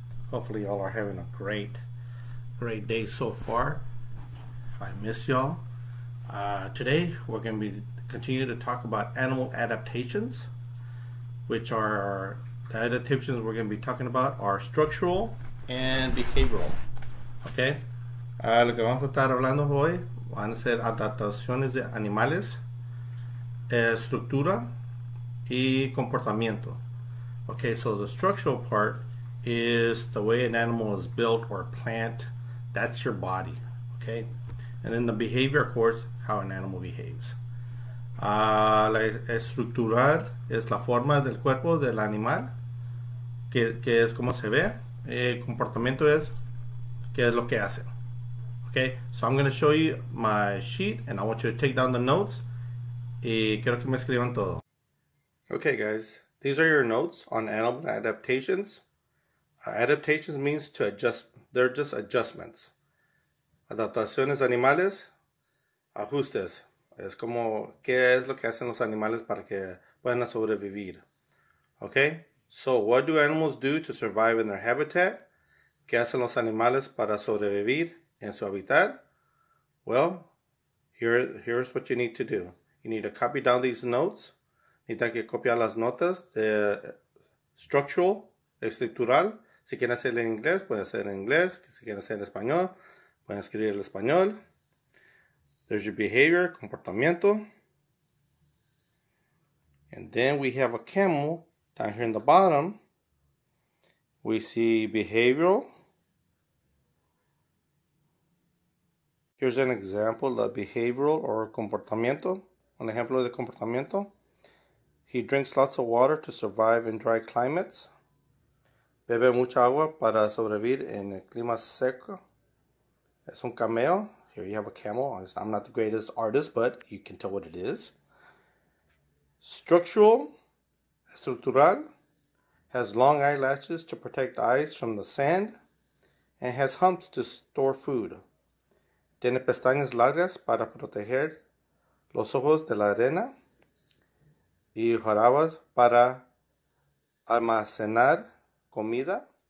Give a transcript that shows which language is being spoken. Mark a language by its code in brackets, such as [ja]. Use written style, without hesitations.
[en] Hopefully y'all are having a great, great day so far. I miss y'all. Today we're gonna continue to talk about animal adaptations, which are the adaptations we're going to be talking about are structural and behavioral. Okay? [es] Lo que vamos a estar hablando hoy van a ser adaptaciones de animales, estructura y comportamiento. [en] Okay, so the structural part is the way an animal is built or plant. That's your body. Okay? And then the behavior, of course, how an animal behaves. [es] La estructural es la forma del cuerpo del animal. Que es como se ve, comportamiento es que es lo que hace. [en] Okay, so I'm gonna show you my sheet and I want you to take down the notes. [es] Y quiero que me escriban todo. [en] Okay guys, these are your notes on animal adaptations. Adaptations means to adjust, they're just adjustments. [es] Adaptaciones animales, ajustes. Es como que es lo que hacen los animales para que puedan sobrevivir. Okay? [en] So, what do animals do to survive in their habitat? [es] ¿Qué hacen los animales para sobrevivir en su hábitat? [en] Well, here's what you need to do. You need to copy down these notes. [es] Necesita que copiar las notas de structural, estructural. Si quieren hacer en inglés, pueden hacer en inglés. Si quieren hacer en español, pueden escribir en español. [en] There's your behavior, comportamiento. And then we have a camel. Down here in the bottom, we see behavioral. Here's an example of behavioral or comportamiento. [es] Un ejemplo de comportamiento. [en] He drinks lots of water to survive in dry climates. [es] Bebe mucha agua para sobrevivir en el clima seco. Es un camello. [en] Here you have a camel. I'm not the greatest artist, but you can tell what it is. Structural. Estructural has long eyelashes to protect eyes from the sand and has humps to store food. [es] Tiene pestañas largas para proteger los ojos de la arena y jorobas para almacenar comida.